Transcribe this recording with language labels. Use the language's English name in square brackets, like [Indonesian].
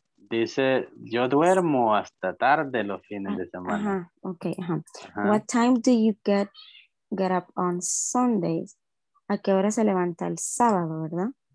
[Spanish] Dice, yo duermo hasta tarde los fines de semana. Uh-huh. Okay, uh-huh. Uh-huh. [English] What time do you get up on Sundays? [Spanish] ¿A qué hora se levanta el sábado, verdad?